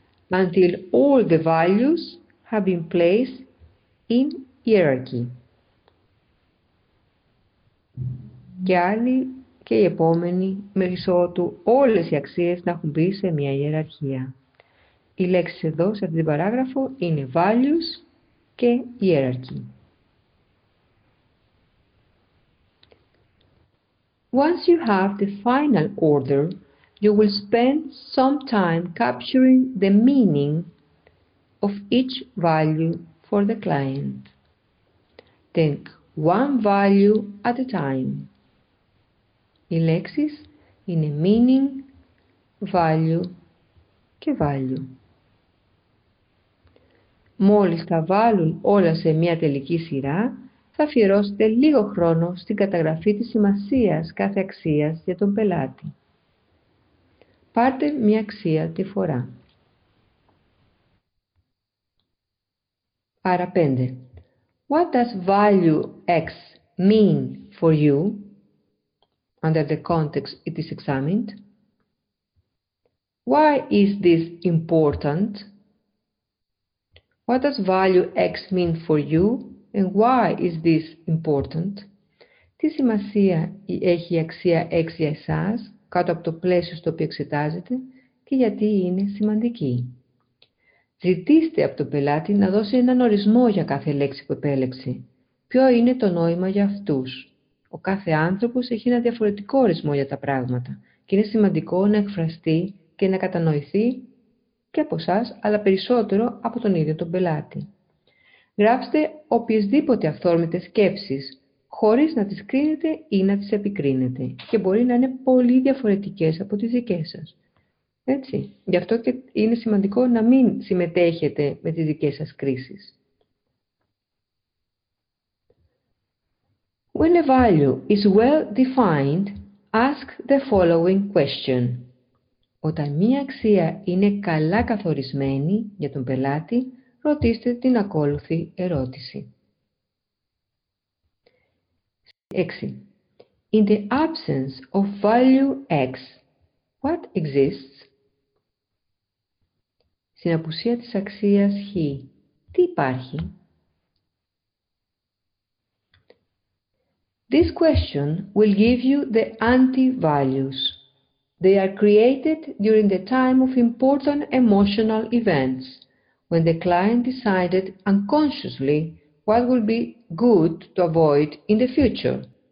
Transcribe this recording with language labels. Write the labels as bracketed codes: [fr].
[en] Until all the values have been placed in hierarchy. [el] Και άλλη και η επόμενη, μέχρι ότου όλες οι αξίες να έχουν μπει σε μια ιεραρχία. Οι λέξεις εδώ, σε αυτήν την παράγραφο, είναι values και hierarchy. [en] Once you have the final order, you will spend some time capturing the meaning of each value for the client. Think one value at a time. [el] Οι λέξεις είναι meaning, value και value. Μόλις τα βάλουν όλα σε μια τελική σειρά, θα αφιερώσετε λίγο χρόνο στην καταγραφή της σημασίας κάθε αξίας για τον πελάτη. Πάρτε μια αξία τη φορά. Άρα 5. [en] What does value X mean for you under the context it is examined? Why is this important? What does value X mean for you and why is this important? [el] Τι σημασία έχει η αξία X για εσάς κάτω από το πλαίσιο στο οποίο εξετάζετε και γιατί είναι σημαντική? Ζητήστε από τον πελάτη να δώσει έναν ορισμό για κάθε λέξη που επέλεξε. Ποιο είναι το νόημα για αυτούς? Ο κάθε άνθρωπος έχει ένα διαφορετικό ορισμό για τα πράγματα και είναι σημαντικό να εκφραστεί και να κατανοηθεί και από εσάς, αλλά περισσότερο από τον ίδιο τον πελάτη. Γράψτε οποιασδήποτε αυθόρμητες σκέψεις, χωρίς να τις κρίνετε ή να τις επικρίνετε και μπορεί να είναι πολύ διαφορετικές από τις δικές σας. Έτσι, γι' αυτό και είναι σημαντικό να μην συμμετέχετε με τις δικές σας κρίσεις. [en] When a value is well defined, ask the following question. [el] Όταν μία αξία είναι καλά καθορισμένη για τον πελάτη, ρωτήστε την ακόλουθη ερώτηση. 6. [en] In the absence of value X, what exists? [el] Στην απουσία της αξίας Χ, τι υπάρχει? [en] This question will give you the anti-values. They are created during the time of important emotional events, when the client decided unconsciously what would be good to avoid in the future.